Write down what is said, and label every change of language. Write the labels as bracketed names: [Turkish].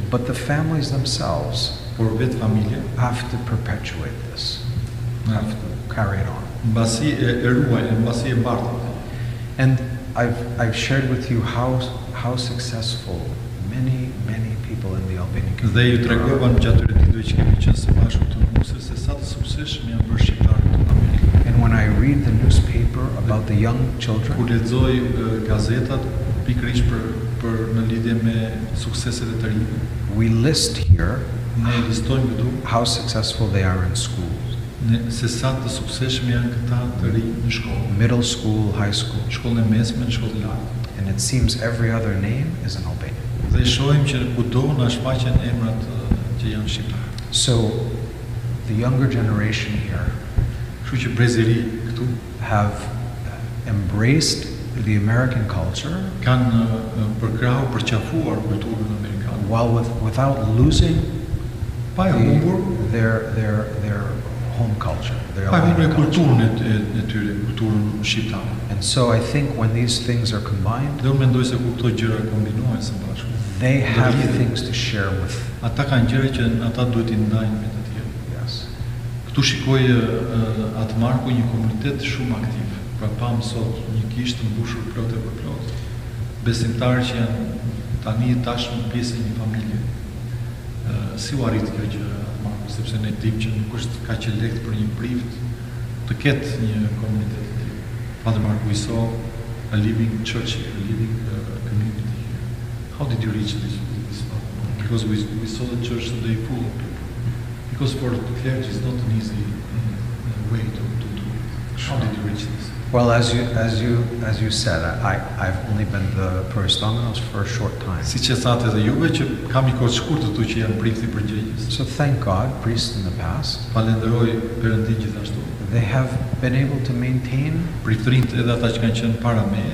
[English] But the families themselves have to perpetuate this, have to carry it on. And I've shared with you how successful many people in the Albanian community. [Albanian] Dhe ju tregova në gjatë ditëve që kemi qenë së bashku të mbusur se sa të suksesshëm janë bërë shqiptarët në Amerikë. [English] And when I read the newspaper about the young children, [Albanian] kur lexoj gazetat pikërisht për në lidhje me sukseset e të rinjve, [English] we list here, [Albanian] ne listojmë këtu [English] how successful they are in school. [Albanian] Ne se sa të suksesshëm janë këta të rinj në shkollë. [English] Middle school, high school, [Albanian] shkollën e mesme, shkollën e lartë. [English] And it seems every other name is an Albanian. [Albanian] Dhe shohim që kudo na shfaqen emrat që janë shqiptarë. [English] So the younger generation here, [Albanian] kështu që brezeri këtu, [English] have embraced the American culture, [Albanian] kanë përkrahu, përqafuar kulturën amerikane, [English] while without losing their home culture, their Albanian culture. [Albanian] Pa humbur kulturën shqiptare. [English] And so I think when these things are combined, [Albanian] do mendoj se kur këto gjëra kombinohen së bashku, [English] they have things to share with. [Albanian] Ata kanë gjëra që ata duhet i ndajnë me të tjerë. [English] Yes. [Albanian] Ktu shikoj atë Marku një komunitet shumë aktiv. Pra pam sot një kishë të mbushur plotë për plot. Besimtarë që janë tani tashmë pjesë e një familje. Si u arrit kjo gjë atë Marku, sepse ne dimë që nuk është kaq e lehtë për një prift të ketë një komunitet. [English] Father Mark, we saw a living church here, a living community here. How did you reach this? Because we saw the church today full of people. Because for the clergy, it's not an easy way to do it. How did you reach this? Well, as you said, I've only been the priest dominos for a short time. [Albanian] Siç e thatë edhe juve që kam një kohë të shkurtër këtu që jam prifti përgjegjës. [English] So thank God, priests in the past. [Albanian] Falenderoj Perëndin gjithashtu. [English] They have been able to maintain [Albanian] priftërit edhe ata që kanë qenë para me.